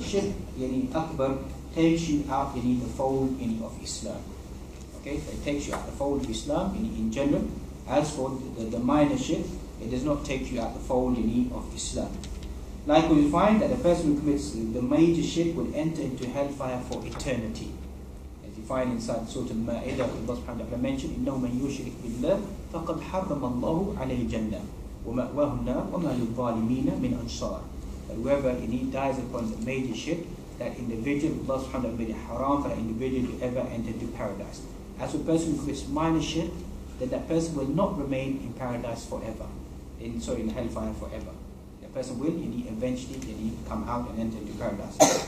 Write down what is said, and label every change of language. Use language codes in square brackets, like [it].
[en] Shirk, akbar, takes you out the fold of Islam. Okay, so it takes you out the fold of Islam in general. As for the minor shirk, it does not take you out the fold of Islam. Like we find that a person who commits the major shirk will enter into hellfire for eternity. As you find inside Surah Al-Ma'idah, Allah subhanahu wa ta'ala mentioned, [ar] إِنَّوْ مَنْ يُشْرِكْ بِاللَّهِ فَقَدْ حَرَّمَ اللَّهُ عَلَيْهِ الْجَنَّةِ وَمَأْوَاهُنَا وَمَا لِلْظَالِمِينَ مِنْ أَنْصَارٍ. [en] Whoever dies upon the major shirk, that individual, Allah subhanahu wa ta'ala made it haram for that individual to ever enter into paradise. As a person who commits minor shirk, then that person will not remain in paradise forever, in hellfire forever. That person will eventually come out and enter into paradise.